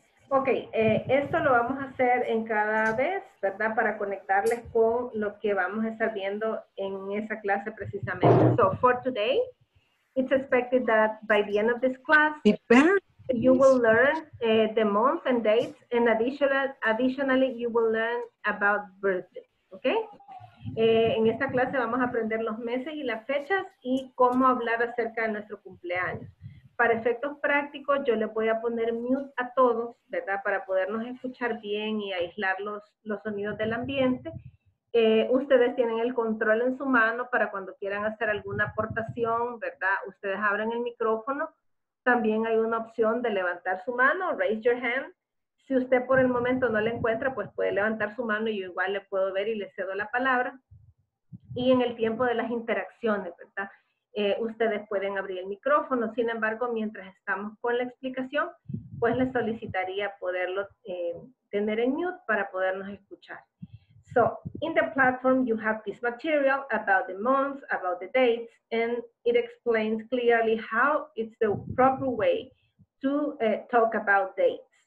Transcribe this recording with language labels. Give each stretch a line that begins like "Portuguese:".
Spanish: Ok, esto lo vamos a hacer en cada vez, ¿verdad? Para conectarles con lo que vamos a estar viendo en esa clase precisamente.
English: So, for today, it's expected that by the end of this class, you will learn the month and dates, and additionally, you will learn about birthdays, ¿ok?
Spanish: En esta clase vamos a aprender los meses y las fechas y cómo hablar acerca de nuestro cumpleaños. Para efectos prácticos, yo les voy a poner mute a todos, ¿verdad? Para podernos escuchar bien y aislar los sonidos del ambiente. Ustedes tienen el control en su mano para cuando quieran hacer alguna aportación, ¿verdad? Ustedes abren el micrófono. También hay una opción de levantar su mano,
English: raise your hand.
Spanish: Si usted por el momento no la encuentra, pues puede levantar su mano y yo igual le puedo ver y le cedo la palabra. Y en el tiempo de las interacciones, ¿verdad? Ustedes pueden abrir el micrófono, sin embargo, mientras estamos con la explicación, pues les solicitaría poderlo tener en mute para podernos escuchar.
English: So, in the platform, you have this material about the months, about the dates, and it explains clearly how it's the proper way to talk about dates.